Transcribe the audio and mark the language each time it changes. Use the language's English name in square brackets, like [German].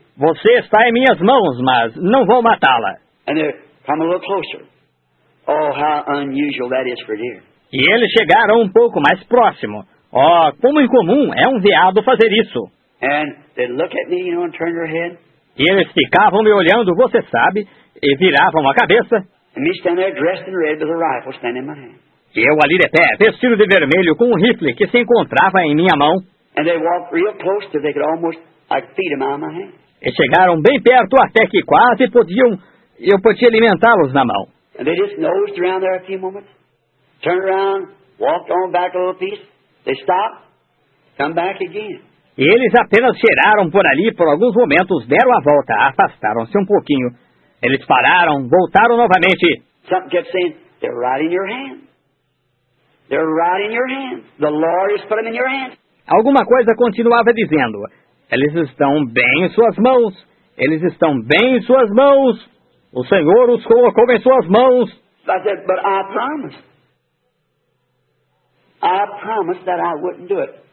[Portuguese] Você está em minhas mãos, mas não vou matá-la. [English] And they come a little closer. Oh, how unusual that is for deer. [Portuguese] E eles chegaram um pouco mais próximo. Oh, como incomum é um veado fazer isso. [English] And they look at me, you know, and turn their head. [Portuguese] E eles ficavam me olhando, você sabe, e viravam a cabeça. [English] And me standing there dressed in red with a rifle standing in my hand. [Portuguese] E eu ali de pé, vestido de vermelho, com um rifle que se encontrava em minha mão. [English] And they walked real close till they could almost, like, feed them out of my hand. [Portuguese] E chegaram bem perto até que quase podiam, eu podia alimentá-los na mão. [English] And they just nosed around there a few moments, turned around, walked on back a little piece, they stopped, come back again. [Portuguese] E eles apenas cheiraram por ali por alguns momentos, deram a volta, afastaram-se um pouquinho. Eles pararam, voltaram novamente. [English] Something kept saying, they're right in your hand. They're right in your hand. The Lord has put them in your hand. [Portuguese] Alguma coisa continuava dizendo, eles estão bem em suas mãos. Eles estão bem em suas mãos. O Senhor os colocou em suas mãos. [English] I said, but I promise. I promised that I wouldn't do it.